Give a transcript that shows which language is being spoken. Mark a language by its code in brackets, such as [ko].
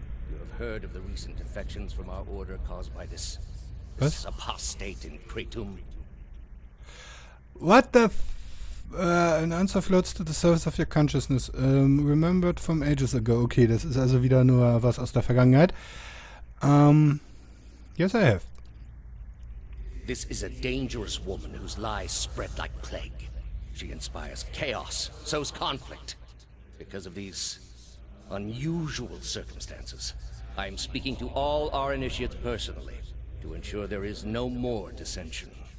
[en] You have heard of the recent defections from our order caused by this... [de] Was? [en] Apostate in Praetum. What the f... an answer floats to the surface of your consciousness. Remembered from ages ago. [de] Okay, das ist also wieder nur was aus der Vergangenheit. [en] Yes, I have. This is a dangerous woman whose lies spread like plague. She inspires chaos, sows conflict. Because of these unusual circumstances, I am speaking to all our initiates personally to ensure there is no more dissension.